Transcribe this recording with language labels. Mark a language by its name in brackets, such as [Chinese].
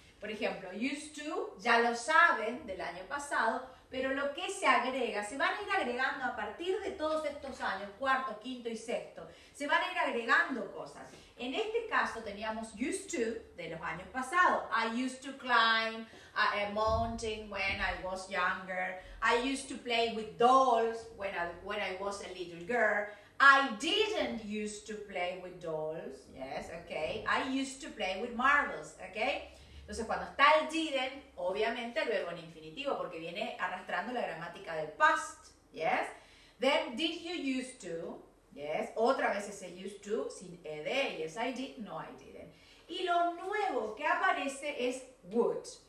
[Spanish] Por ejemplo, used to, ya lo saben del año pasado, pero lo que se agrega, se van a ir agregando a partir de todos estos años, cuarto, quinto y sexto, se van a ir agregando cosas. En este caso teníamos used to de los años pasados. [English] I used to climb a mountain when I was younger. I used to play with dolls when I was a little girl. I didn't used to play with dolls, yes, okay. I used to play with marbles, okay. [Spanish] Entonces, cuando está el didn't, obviamente el verbo en infinitivo, porque viene arrastrando la gramática del past, yes. [English] Then, did you used to, yes, [Spanish] otra vez ese [English] used to, sin ed, yes, I did, no, I didn't. [Spanish] Y lo nuevo que aparece es would.